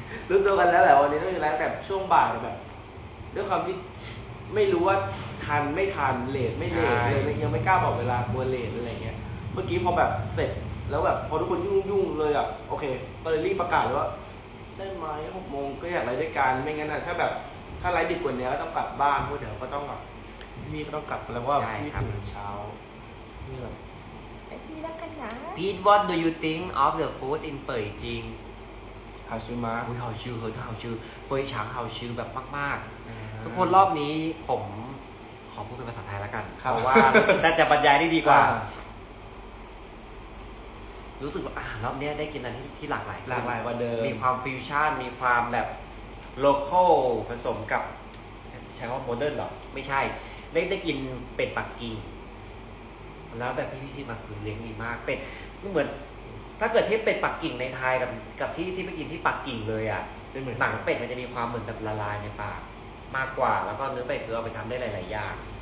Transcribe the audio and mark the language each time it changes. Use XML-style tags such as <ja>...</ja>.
<th>รู้ตัวกันแล้วแหละวันนี้ต้องอยู่ไลฟ์แต่ช่วงบ่ายแบบด้วยความที่ไม่รู้ว่าทันไม่ทันเลทไม่เลทเลยยังไม่กล้าบอกเวลากลัวเลทอะไรเงี้ยเมื่อกี้พอแบบเสร็จแล้วแบบพอทุกคนยุ่งๆเลยอ่ะโอเคก็เลยรีบประกาศว่าได้ไหม6โมงก็อยากไลฟ์ด้วยกันไม่งั้นน่ะถ้าแบบถ้าไลฟ์ดึกกว่านี้ก็ต้องกลับบ้านพวกเดี๋ยวก็ต้องแบบพี่ก็ต้องกลับแล้วว่าพี่ตื่นเช้านี่แบบพี่รักกันนะ</th> <en>Pete what do you think of the food in Beijing</en> <zh>ฮาชิมะ</zh> <th>อุ๊ยฮาชิเฮ้ย</th> <zh>ฮาชิเฟยฉางฮาชิ</zh> <th>แบบมากๆทุกคนรอบนี้ผมขอพูดเป็นภาษาไทยแล้วกันเพราะว่าน่าจะบรรยายได้ดีกว่ารู้สึกว่ารอบนี้ได้กินอะไรที่หลากหลาย หลากหลายกว่าเดิม มีความฟิวชั่นมีความแบบโลเคอลผสมกับใช้คำว่าโมเดิร์นหรอไม่ใช่ได้กินเป็ดปักกิ่งแล้วแบบพี่ๆมาคือเลี้ยงดีมากเป็ดก็เหมือนถ้าเกิดที่เป็ดปักกิ่งในไทยกับที่ไปกินที่ปักกิ่งเลยอ่ะเป็นเหมือนหนังเป็ดมันจะมีความเหมือนแบบละลายในปากมากกว่าแล้วก็เนื้อเป็ดคือเอาไปทำได้หลายๆอย่าง</th>